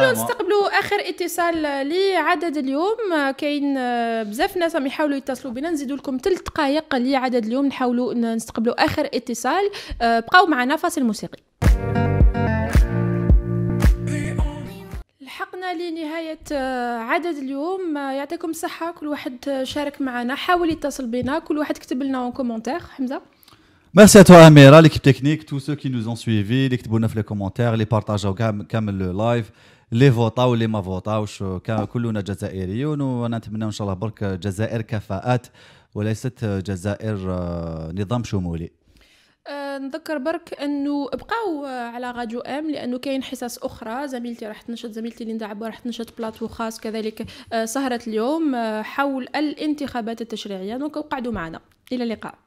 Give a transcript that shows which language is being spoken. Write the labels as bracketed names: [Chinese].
[Arabic] حاولوا نستقبلوا اخر اتصال لي عدد اليوم كاين بزاف ناس عم يحاولوا يتصلوا بنا نزيدوا لكم 3 دقائق لي عدد اليوم نحاولوا نستقبلوا اخر اتصال بقاو معنا فاصل موسيقي لحقنا لنهايه عدد اليوم يعطيكم الصحه كل واحد شارك معنا حاول يتصل بنا كل واحد كتب لنا [French] اون كومونتير [Arabic] حمزه [French] Merci à toi Amira, l'équipe technique, tous ceux qui nous ont suivis, les qui nous les commentaires, les partages au Kamel le live, les votants ou les ma votants, tous les Jazaïriens, nous on attend inchallah [Arabic] برك Jazair kafaat ou laisset Jazair nizam choumouli. نذكر برك انه ابقوا على راديو ام لانه كاين حصص اخرى زميلتي راح تنشط زميلتي ليندا عبو راح تنشط بلاطو خاص كذلك سهره اليوم حول الانتخابات التشريعيه دونك قعدوا معنا الى اللقاء